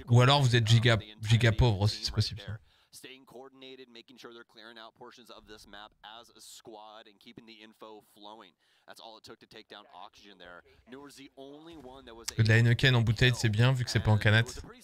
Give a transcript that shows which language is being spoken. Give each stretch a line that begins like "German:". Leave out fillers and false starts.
French: Ou alors vous êtes giga pauvre aussi, c'est possible.
English: Making sure they're clearing out portions of this map as a squad and keeping the info flowing. That's all it took to take down Oxygen there. Nour's the only one that was able to...
French: La Heineken en bouteille, c'est bien, vu que c'est pas en canette.